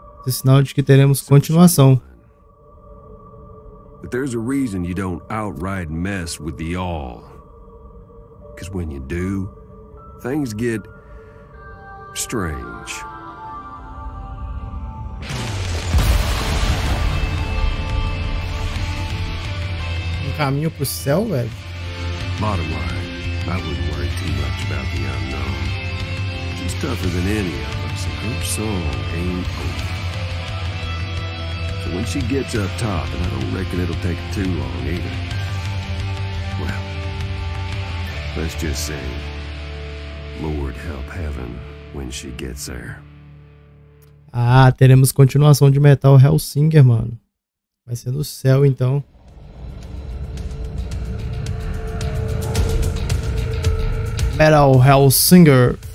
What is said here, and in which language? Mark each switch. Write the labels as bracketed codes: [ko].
[pt] Sinal de que teremos continuação. [en] But there's a reason you don't outright mess with the all. Because when you do, things get strange. [pt] Um caminho pro céu, velho? [en] Bottom line, I wouldn't worry too much about the unknown. She's tougher than any of us, and her song ain't over. When she gets up top, and I don't reckon it'll take too long either. Well, let's just say, Lord help heaven when she gets there. [pt] Ah, teremos continuação de Metal Hellsinger, mano. Vai ser no céu, então. Metal Hellsinger.